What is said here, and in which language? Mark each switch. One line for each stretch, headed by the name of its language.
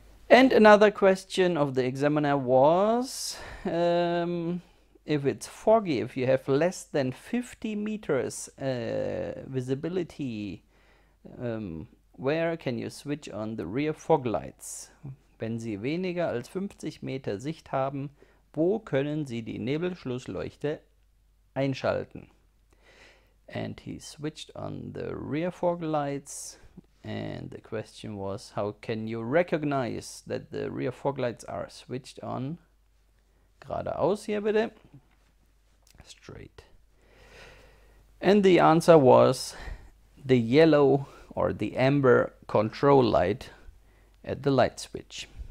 English: And another question of the examiner was, if it's foggy, if you have less than 50 meters visibility, where can you switch on the rear fog lights?
German: Wenn Sie weniger als 50 Meter Sicht haben, wo können Sie die Nebelschlussleuchte einschalten?
English: And he switched on the rear fog lights. And the question was, how can you recognize that the rear fog lights are switched on?
German: Geradeaus hier bitte. Straight.
English: And the answer was the yellow or the amber control light at the light switch.